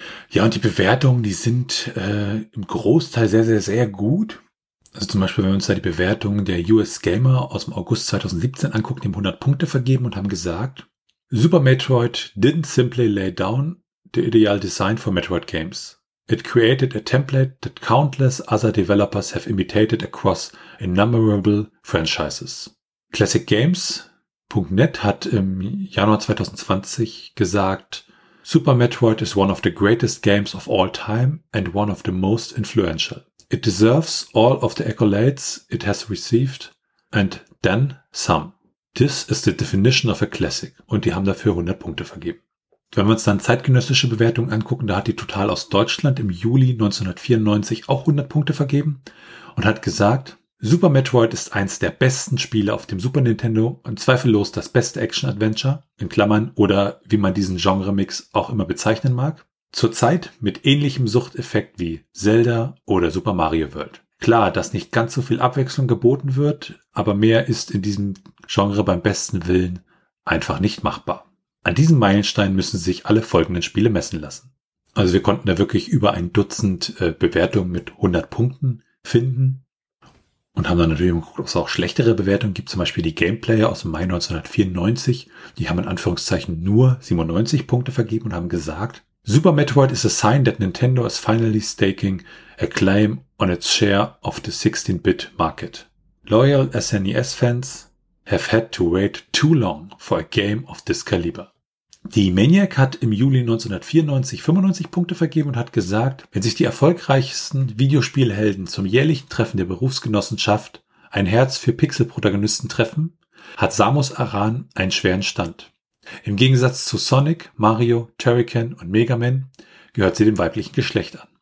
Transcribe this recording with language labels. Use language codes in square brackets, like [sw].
[de] Ja, und die Bewertungen, die sind im Großteil sehr, sehr, sehr gut. Also zum Beispiel, wenn wir uns da die Bewertungen der US Gamer aus dem August 2017 angucken, die haben 100 Punkte vergeben und haben gesagt, [en] Super Metroid didn't simply lay down the ideal design for Metroid games. It created a template that countless other developers have imitated across innumerable franchises. [de] Classic Games.net hat im Januar 2020 gesagt, [en] Super Metroid is one of the greatest games of all time and one of the most influential. It deserves all of the accolades it has received and then some. This is the definition of a classic. [de] Und die haben dafür 100 Punkte vergeben. Wenn wir uns dann zeitgenössische Bewertungen angucken, da hat die Total aus Deutschland im Juli 1994 auch 100 Punkte vergeben und hat gesagt, Super Metroid ist eins der besten Spiele auf dem Super Nintendo und zweifellos das beste Action-Adventure, in Klammern, oder wie man diesen Genre-Mix auch immer bezeichnen mag. Zurzeit mit ähnlichem Suchteffekt wie Zelda oder Super Mario World. Klar, dass nicht ganz so viel Abwechslung geboten wird, aber mehr ist in diesem Genre beim besten Willen einfach nicht machbar. An diesem Meilenstein müssen sich alle folgenden Spiele messen lassen. Also wir konnten da wirklich über ein Dutzend Bewertungen mit 100 Punkten finden und haben dann natürlich geguckt, ob es auch schlechtere Bewertungen gibt. Zum Beispiel die Gameplayer aus dem Mai 1994, die haben in Anführungszeichen nur 97 Punkte vergeben und haben gesagt, [en] Super Metroid is a sign that Nintendo is finally staking a claim on its share of the 16-bit market. Loyal SNES-Fans have had to wait too long for a game of this caliber. [de] Die Maniac hat im Juli 1994 95 Punkte vergeben und hat gesagt, wenn sich die erfolgreichsten Videospielhelden zum jährlichen Treffen der Berufsgenossenschaft ein Herz für Pixel-Protagonisten treffen, hat Samus Aran einen schweren Stand. Im Gegensatz zu Sonic, Mario, Turrican und Mega Man gehört sie dem weiblichen Geschlecht an.